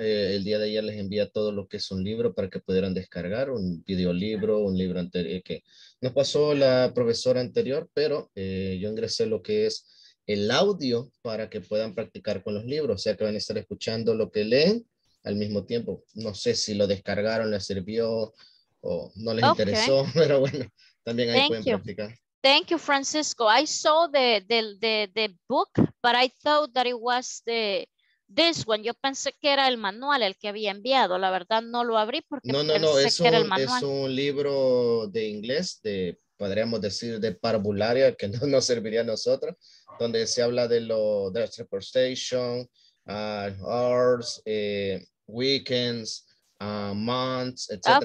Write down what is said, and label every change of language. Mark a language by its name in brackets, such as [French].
[Spanish] El día de ayer les envié todo lo que es un libro para que pudieran descargar, un videolibro, un libro anterior que nos pasó la profesora anterior, pero yo ingresé lo que es el audio para que puedan practicar con los libros, o sea que van a estar escuchando lo que leen al mismo tiempo. No sé si lo descargaron, les sirvió o no les interesó, pero bueno, también ahí pueden practicar. [English] Thank you, Francisco. I saw the book, but I thought that it was the this one. [Spanish] Yo pensé que era el manual el que había enviado, la verdad no lo abrí porque pensé que era el manual. Es un libro de inglés, de, podríamos decir, de parvularia, que no nos serviría a nosotros, donde se habla de lo de transportation, hours, weekends, months, etc.